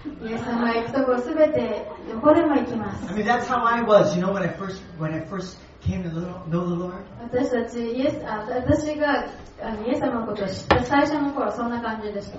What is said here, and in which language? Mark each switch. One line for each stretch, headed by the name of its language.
Japanese: イエス様は行くところすべてどこでも行きます。
English: I mean, that's how I was, you know, when I first came to know the Lord.
Japanese: 私がイエス様のことを知った最初の頃はそんな感じでした。